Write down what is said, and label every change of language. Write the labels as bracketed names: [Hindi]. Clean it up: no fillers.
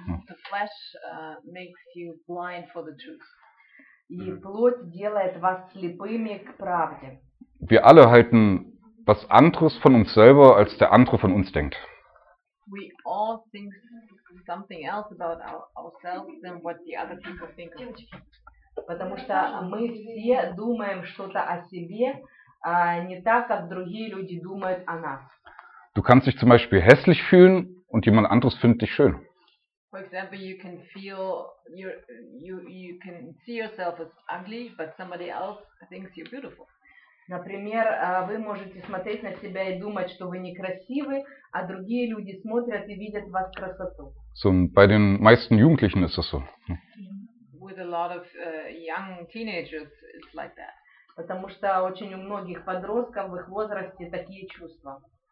[English] The flesh makes you blind for the truth. [Russian] И плоть делает вас слепыми к правде. [German] Wir alle halten was anderes von uns selber, als der andere von uns denkt. [English] We all think something else about ourselves than what the other people think of. [Russian] Потому что мы все думаем что-то о себе, не так, как другие люди думают о нас. [German] Du kannst dich zum Beispiel hässlich fühlen und jemand anderes findet dich schön. [English] For example, you can feel you can see yourself as ugly, but somebody else thinks you're beautiful. [Russian] Например, вы можете смотреть на себя и думать, что вы некрасивы, а другие люди смотрят и видят в вас красоту. [German] So, bei den meisten Jugendlichen ist das so. [English] With a lot of young teenagers, it's like that. [Russian] Потому что очень у многих подростков в их возрасте такие чувства.